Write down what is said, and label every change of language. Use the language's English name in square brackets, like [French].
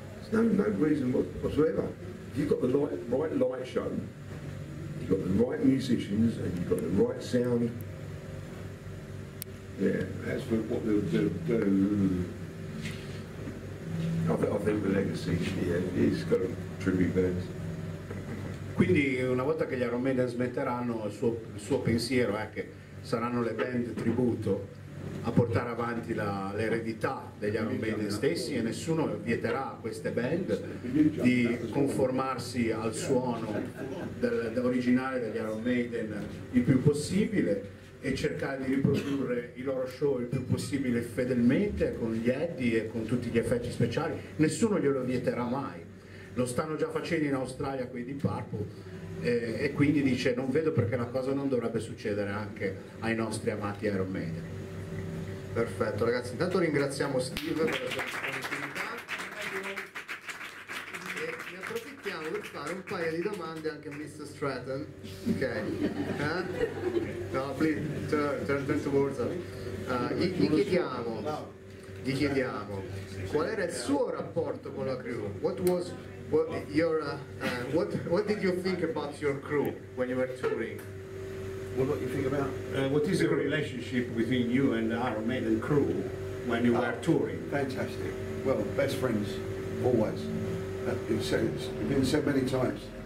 [English] There's no reason whatsoever. You've got the right light show, you've got the right musicians, and you've got the right sound. Yeah, that's what they'll do. I think the legacy, yeah, is got a tribute band. [Italian] Quindi una volta che gli Iron Maiden smetteranno, il suo pensiero è che saranno le band tributo a portare avanti l'eredità degli Iron Maiden stessi, e nessuno vieterà a queste band di conformarsi al suono dell'originale degli Iron Maiden il più possibile, e cercare di riprodurre i loro show il più possibile fedelmente con gli Eddie e con tutti gli effetti speciali. Nessuno glielo vieterà mai, lo stanno già facendo in Australia quei di Purple, e quindi dice: non vedo perché la cosa non dovrebbe succedere anche ai nostri amati Iron Maiden. Perfetto, ragazzi, intanto ringraziamo Steve per la sua disponibilità, e ne approfittiamo per fare un paio di domande anche a Mr. Stratton. [English] Ok, no, please turn towards us. [Italian] Gli chiediamo qual era il suo rapporto con la crew. [English] What did you think about your crew when you were touring? What is the relationship between you and the Iron Maiden crew when you were touring? Fantastic. Well, best friends, always. It's been said many times.